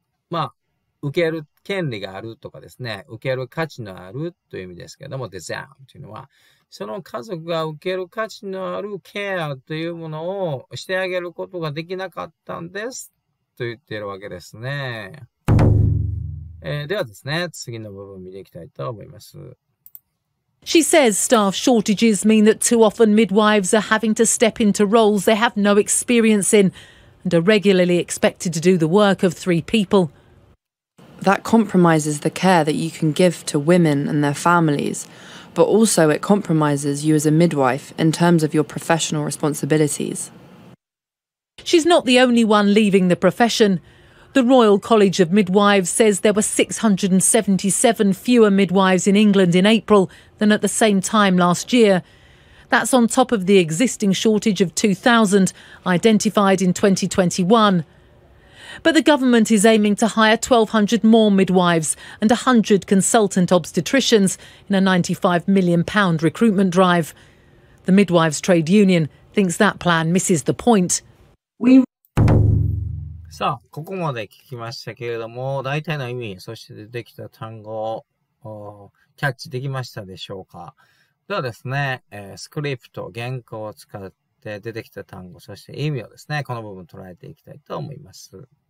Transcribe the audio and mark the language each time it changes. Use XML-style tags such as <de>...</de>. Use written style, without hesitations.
<ja>まあ、受ける権利があるとかですね、受ける価値のあるという意味ですけれども、deserved というのは、その家族が受ける価値のあるケアというものをしてあげることができなかったんですと言っているわけですね。ではですね、次の部分を見ていきたいと思います。</ja> <en>She says staff shortages mean that too often midwives are having to step into roles they have no experience in and are regularly expected to do the work of three people. That compromises the care that you can give to women and their families, but also it compromises you as a midwife in terms of your professional responsibilities. She's not the only one leaving the profession. The Royal College of Midwives says there were 677 fewer midwives in England in April than at the same time last year. That's on top of the existing shortage of 2,000 identified in 2021. But the government is aiming to hire 1,200 more midwives and 100 consultant obstetricians in a £95 million recruitment drive. The Midwives Trade Union thinks that plan misses the point.</en> <ja>さあ、ここまで聞きましたけれども、大体の意味、そして出てきた単語をキャッチできましたでしょうか。ではですね、スクリプト、原稿を使って出てきた単語、そして意味をですね、この部分捉えていきたいと思います。</ja>